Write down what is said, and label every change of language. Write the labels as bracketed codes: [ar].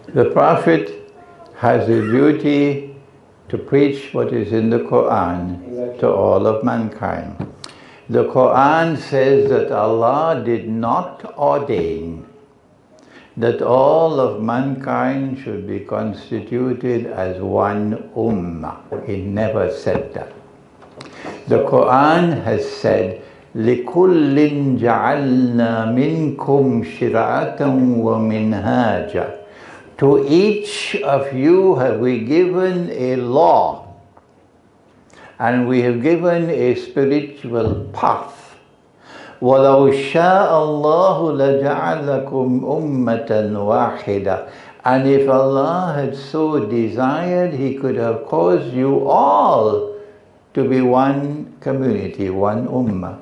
[en] The Prophet has a duty to preach what is in the Quran, exactly, to all of mankind. The Quran says that Allah did not ordain that all of mankind should be constituted as one ummah. He never said that. The Quran has said, [ar] لِكُلِّنْ جَعَلْنَا مِنْكُمْ شِرَعَةً وَمِنْهَاجًا. [en] To each of you have we given a law, and we have given a spiritual path. [ar] وَلَوْ شَاءَ اللَّهُ لَجَعَلَكُمْ أُمَّةً وَاحِدًا. [en] And if Allah had so desired, He could have caused you all to be one community, one ummah.